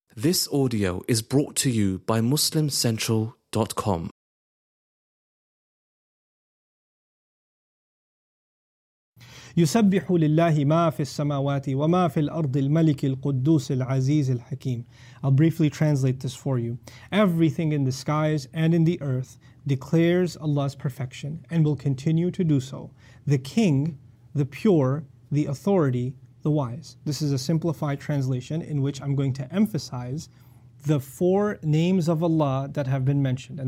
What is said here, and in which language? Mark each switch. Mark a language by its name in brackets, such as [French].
[English] This audio is brought to you by MuslimCentral.com. [Arabic] يسبح لله ما في السماوات وما في الأرض الملك القدوس العزيز الحكيم. [English] I'll briefly translate this for you. Everything in the skies and in the earth declares Allah's perfection and will continue to do so. The King, the Pure, the Authority, the Wise. This is a simplified translation in which I'm going to emphasize the four names of Allah that have been mentioned.